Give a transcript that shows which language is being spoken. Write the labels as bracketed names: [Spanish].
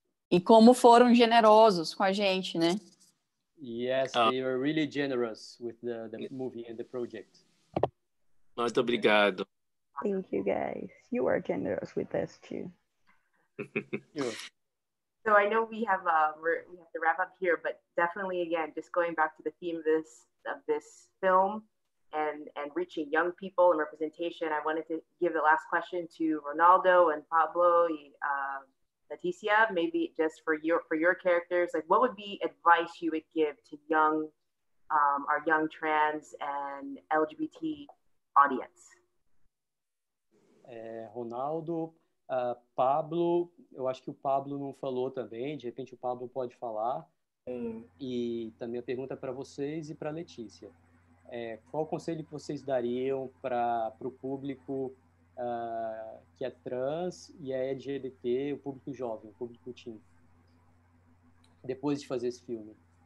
[Portuguese] E como foram generosos com a gente, né? [English] Yes, they were really generous with the movie and the project. [Portuguese] Muito obrigado. [English] Thank you, guys. You are generous with us, too. So I know we have we have to wrap up here, but definitely, again, just going back to the theme of this film and reaching young people and representation, I wanted to give the last question to Ronaldo and Pablo, Leticia, maybe just for your characters, like what would be advice you would give to young, our young trans and LGBT audience? [Portuguese] Ronaldo, Pablo, eu acho que o Pablo não falou também, de repente o Pablo pode falar, e também a pergunta para vocês e para Leticia. Qual conselho que vocês dariam para o público que é trans e é LGBT, o público jovem, o público teen, depois de fazer esse filme?